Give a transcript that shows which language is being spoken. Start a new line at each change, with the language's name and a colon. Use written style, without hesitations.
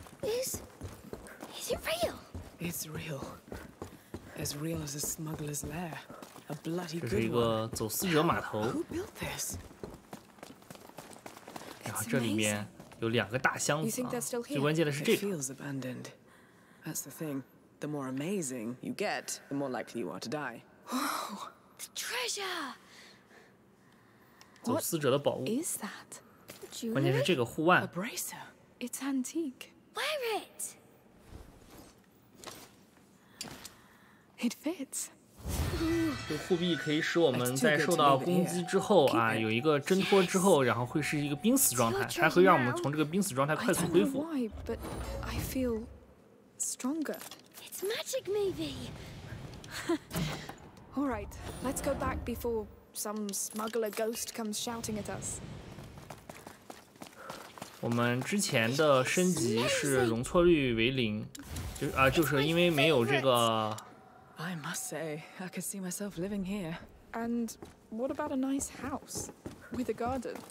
English: Is it real? It's real. As real as a smuggler's lair. A bloody good one.
Chinese: 这是一个走私者码头。
English: Who built this?
Chinese: 然后这里面有两个大箱子啊，最关键的是这个。
English: It feels abandoned. That's the thing. The more amazing you get, the more likely you are to die. Wow, the treasure!
Chinese: 走私者的宝物。
English: What is that? Jewelry?
Chinese: 关键是这个护腕。
English: A bracer. It's antique. Wear it. It fits.
Chinese: 这护臂可以使我们在受到攻击之后啊，有一个挣脱之后，然后会是一个濒死状态，它会让我们从这个濒死状态快速恢复。
English: I don't know why, but I feel stronger. Magic, maybe. All right, let's go back before some smuggler ghost comes shouting at us.
Chinese: 我们之前的升级是容错率为零，就是因为没有这个。
English: I must say, I could see myself living here. And what about a nice house with a garden?